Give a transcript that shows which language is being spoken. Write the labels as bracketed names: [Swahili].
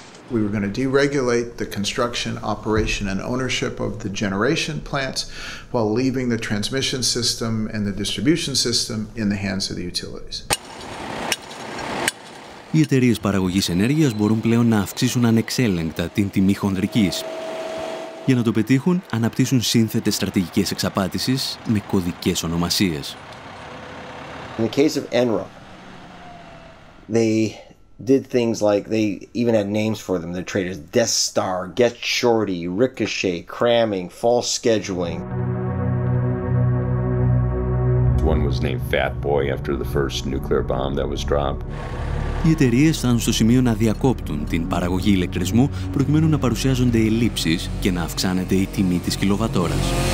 [English] We were going to deregulate the construction, operation, and ownership of the generation plants while leaving the transmission system and the distribution system in the hands of the utilities. [Greek] Οι εταιρείες παραγωγής ενέργειας μπορούν πλέον να αυξήσουν ανεξέλεγκτα την τιμή χονδρικής. Για να το πετύχουν, αναπτύσσουν σύνθετες στρατηγικές εξαπάτησης με κωδικές ονομασίες. [English] In the case of Enron, they did things like they even had names for them, the traders: Death Star, Get Shorty, Ricochet, Cramming, False Scheduling. One was named Fat Boy after the first nuclear bomb that was dropped. [Greek] Οι εταιρείες φτάνουν στο σημείο να διακόπτουν την παραγωγή ηλεκτρισμού προκειμένου να παρουσιάζονται ελλείψεις και να αυξάνεται η τιμή της κιλοβατόρας.